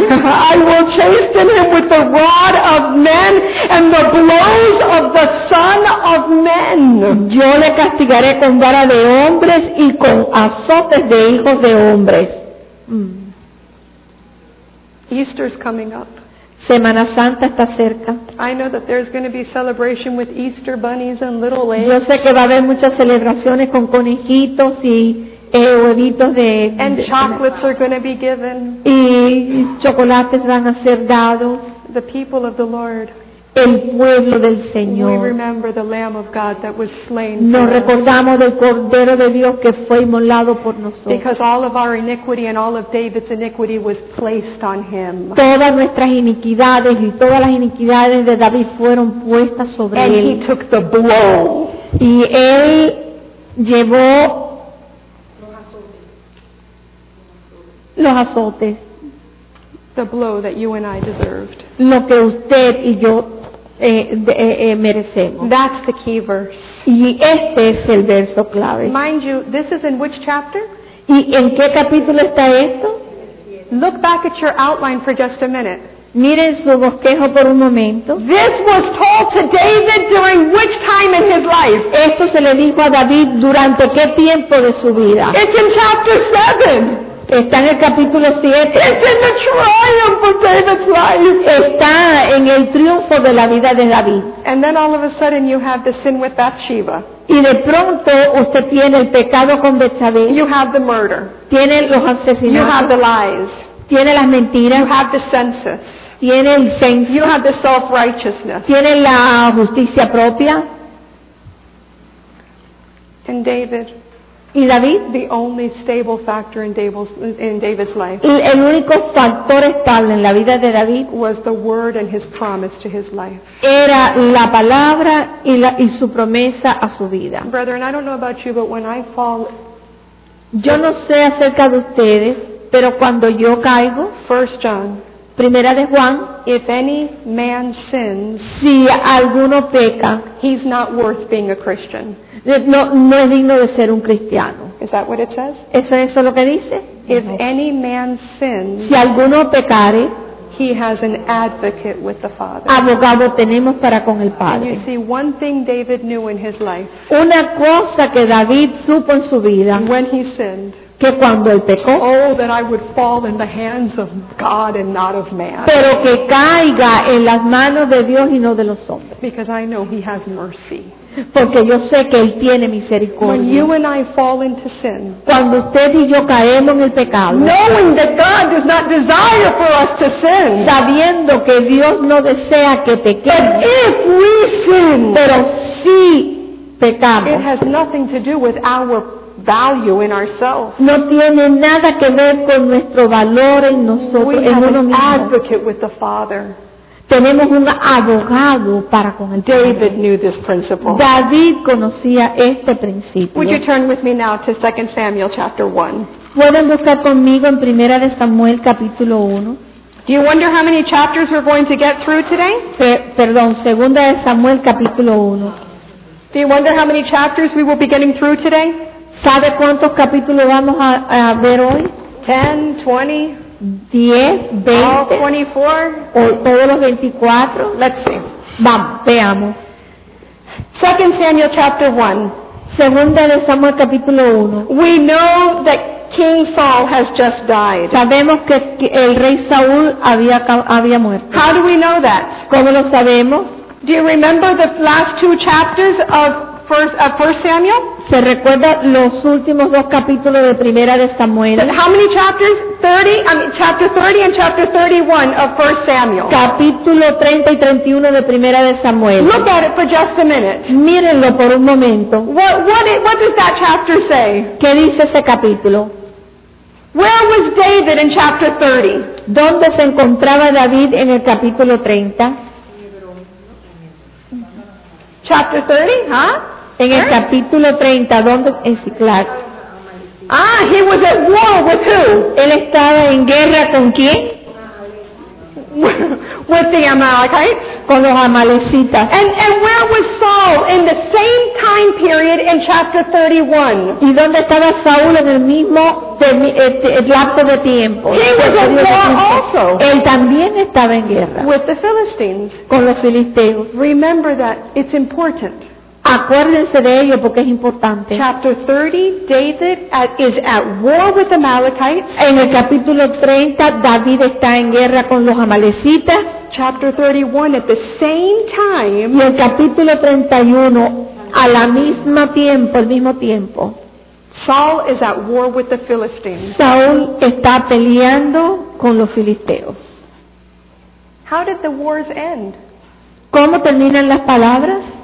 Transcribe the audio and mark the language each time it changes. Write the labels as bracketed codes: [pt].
[en] I will chasten him with the rod of men and the blows of the son of men. [es] Yo le castigaré con vara de hombres y con azotes de hijos de hombres. [en] Easter's coming up. [es] Semana Santa está cerca. [en] I know that there's going to be celebration with Easter bunnies and little eggs. [es] Yo sé que va a haber muchas celebraciones con conejitos y [en] and chocolates are going to be given. [es] Y chocolates van a ser dados. [en] The people of the Lord. [es] el pueblo del Señor. [en] We remember the Lamb of God that was slain. [es] Nos recordamos del Cordero de Dios que fue inmolado por nosotros. [en] Because all of our iniquity and all of David's iniquity was placed on him. [es] Todas nuestras iniquidades y todas las iniquidades de David fueron puestas sobre [en] and [es] él. [en] And he took the blow. [es] Y él llevó los azotes. [en] The blow that you and I deserved. [es] Lo que usted y yo merecemos. [en] That's the key verse. [es] Y este es el verso clave. [en] Mind you, this is in which chapter? [es] ¿Y en qué capítulo está esto? [en] Look back at your outline for just a minute. [es] Miren su bosquejo por un momento. [en] This was told to David during which time in his life? [es] Esto se le dijo a David durante qué tiempo de su vida. [en] It's in chapter 7. [es] Está en el capítulo 7. [en] It's in the triumph of David's life. [es] Está en el triunfo de la vida de David. [en] And then all of a sudden you have the sin with Bathsheba. [es] Y de pronto usted tiene el pecado con Betsabé. [en] You have the murder. [es] Tiene los asesinatos. [en] You have the lies. [es] Tiene las mentiras. [en] You have the census. [es] Tiene el censo. [en] You have the self-righteousness. [es] Tiene la justicia propia. [en] And David. [es] Y David, [en] the only stable factor in David's life, [es] el único factor estable en la vida de David, [en] was the word and his promise to his life. [es] Era la palabra y su promesa a su vida. [en] Brethren, I don't know about you, but when I fall, [es] yo no sé acerca de ustedes, pero cuando yo caigo, [en] 1 John, [es] Primera de Juan, [en] if any man sins, [es] si alguno peca, [en] he's not worth being a Christian. [es] No es digno de ser un cristiano. [en] Is that what it says? [es] ¿Eso es lo que dice? [en] If any man sins, [es] si alguno pecare, [en] he has an advocate with the Father. [es] Abogado tenemos para con el Padre. [en] And you see, one thing David knew in his life, [es] una cosa que David supo en su vida, [en] when he sinned, [es] que cuando él pecó, [en] oh, that I would fall in the hands of God and not of man. [es] Pero que caiga en las manos de Dios y no de los hombres. [en] Because I know he has mercy. [es] Porque yo sé que él tiene misericordia. [en] When you and I fall into sin, [es] cuando usted y yo caemos en el pecado, [en] knowing that God does not desire for us to sin, [es] sabiendo que Dios no desea que pequemos, [en] but if we sin, [es] pero si pecamos, [en] it has nothing to do with our value in ourselves. [es] No tiene nada que ver con nuestro valor en nosotros, [en] we [es] en uno mismo. [en] We have an advocate with the Father. [es] Tenemos un abogado para con el Padre. [en] David knew this principle. [es] David conocía este principio. [en] Would you turn with me now to 2 Samuel chapter 1? [es] ¿Pueden buscar conmigo en Primera de Samuel capítulo 1? [en] Do you wonder how many chapters we're going to get through today? [es] Perdón, Segunda de Samuel capítulo 1. [en] Do you wonder how many chapters we will be getting through today? [es] ¿Sabe cuántos capítulos vamos a ver hoy? [en] 10, 20. [es] 10, 20, [en] all 24, [es] o todos los 24. [en] Let's see. [es] Vamos, veamos. [en] 2 Samuel chapter 1. [es] Segunda de Samuel capítulo 1. [en] We know that King Saul has just died. [es] Sabemos que el rey Saúl había muerto. [en] How do we know that? [es] ¿Cómo lo sabemos? [en] Do you remember the last two chapters of 1 Samuel? [es] ¿Se recuerda los últimos dos capítulos de Primera de Samuel? [en] How many chapters? 30, chapter 30 and chapter 31 of 1 Samuel. [es] Capítulo 30 y 31 de Primera de Samuel. [en] Look at it for just a minute. [es] Mírenlo por un momento. [en] What does that chapter say? [es] ¿Qué dice ese capítulo? [en] Where was David in chapter 30? [es] ¿Dónde se encontraba David en el capítulo 30? [en] Chapter 30, huh? [es] En el capítulo 30, ¿dónde es Ciclar? [en] Ah, he was at war with who? [es] Él estaba en guerra con quién? [en] With the Amalekites. [es] Con los Amalecitas. [en] And where was Saul in the same time period in chapter 31? [es] ¿Y dónde estaba Saúl en el mismo el lapso de tiempo? [en] He was at war also. [es] Él también estaba en guerra. [en] With the Philistines. [es] Con los filisteos. [en] Remember that it's important. [es] Acuérdense de ello porque es importante. [en] Chapter 30, David is at war with the Amalekites. [es] En el capítulo 30, David está en guerra con los Amalecitas. [en] Chapter 31, at the same time. [es] Y el capítulo 31, a la misma tiempo, al mismo tiempo. [en] Saul is at war with the Philistines. [es] Saúl está peleando con los filisteos. [en] How did the wars end? [es] ¿Cómo terminan las palabras?